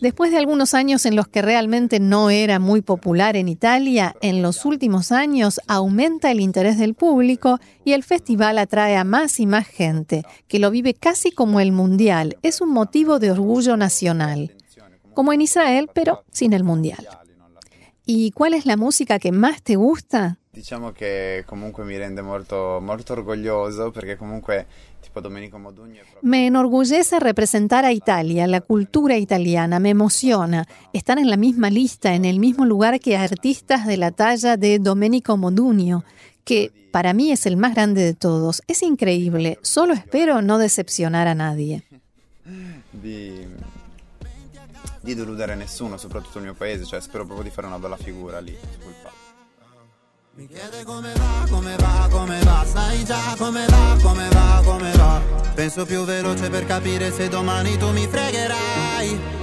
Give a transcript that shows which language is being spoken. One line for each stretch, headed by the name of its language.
Spanish: Después de algunos años en los que realmente no era muy popular en Italia, en los últimos años aumenta el interés del público y el festival atrae a más y más gente, que lo vive casi como el mundial. Es un motivo de orgullo nacional, como en Israel, pero sin el mundial. ¿Y cuál es la música que más te gusta?
Italian: Diciamo que comunque mi rende molto molto orgoglioso perché comunque tipo Domenico Modugno.
Spanish: Me enorgullece representar a Italia, la cultura italiana, me emociona. Están en la misma lista, en el mismo lugar que artistas de la talla de Domenico Modugno, que para mí es el más grande de todos. Es increíble. Solo espero no decepcionar a nadie.
Italian: Di deludere nessuno, soprattutto il mio paese, cioè spero proprio di fare una bella figura lì, scusa. Mi chiede come va, come va, come va, sai già come va, come va, come va. Penso più veloce per capire se domani tu mi fregherai.